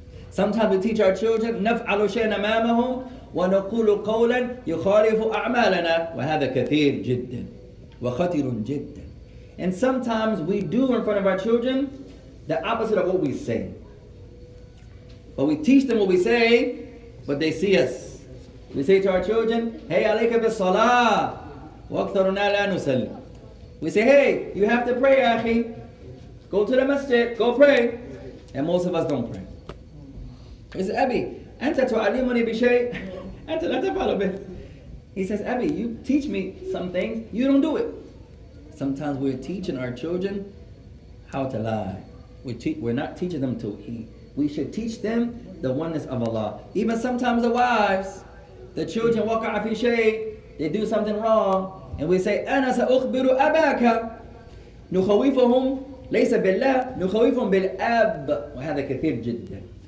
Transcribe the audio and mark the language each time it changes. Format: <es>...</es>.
<en>Sometimes we teach our children,</en> <ar>نفعل شيئا أمامهم ونقول قولا يخالف أعمالنا وهذا كثير جدا وخطير جدا.</ar> <en>And sometimes we do in front of our children the opposite of what we say. But we teach them what we say, but they see us. We say to our children, hey,</en> <ar>عليك بالصلاة وأكثرنا لا نسلم.</ar> <en>We say, hey, you have to pray, أخي. Go to the masjid, go pray. And most of us don't pray. He says, Abby,</en> <ar>أنت تعلمني بشيء أنت لا تفعل به.</ar> <en>He says, Abby, you teach me some things, you don't do it. Sometimes we're teaching our children how to lie. We're not teaching them to eat. We should teach them the oneness of Allah. Even sometimes the wives, the children walk out of his shade, they do something wrong, and we say,</en> <ar>أنا سأخبر أباك نخويفهم ليس بالله نخويفهم بالأب وهذا كثير جدا.</ar>